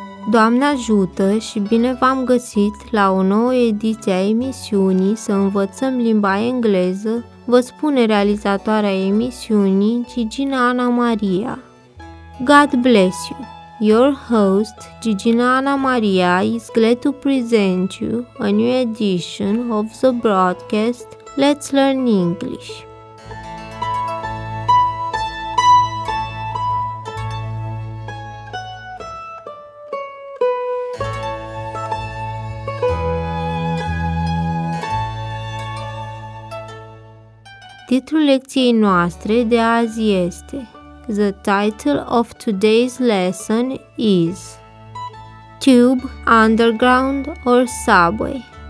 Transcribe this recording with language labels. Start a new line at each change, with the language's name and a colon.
Romanian: Doamne ajută și bine v-am găsit la o nouă ediție a emisiunii Să învățăm limba engleză, vă spune realizatoarea emisiunii, Gigina Ana Maria.
English: God bless you! Your host, Gigina Ana Maria, is glad to present you a new edition of the broadcast Let's Learn English.
Romanian: Titlul lecției noastre de azi este...
English: The title of today's lesson is Tube, Underground or Subway?